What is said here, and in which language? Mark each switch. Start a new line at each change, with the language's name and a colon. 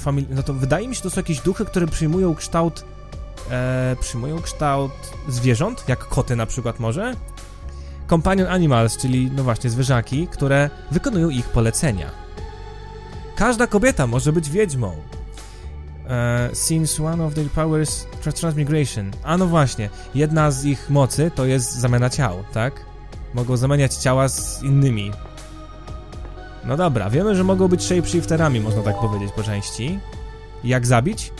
Polish: no to wydaje mi się, to są jakieś duchy, które przyjmują kształt... przyjmują kształt zwierząt, jak koty na przykład może.
English: Companion animals,
Polish: czyli no właśnie zwierzaki, które wykonują ich polecenia. Każda kobieta może być wiedźmą.
English: Since one of their powers transmigration.
Polish: A no właśnie, jedna z ich mocy to jest zamiana ciał, tak? Mogą zamieniać ciała z innymi. No dobra, wiemy, że mogą być shapeshifterami, można tak powiedzieć po części. Jak zabić?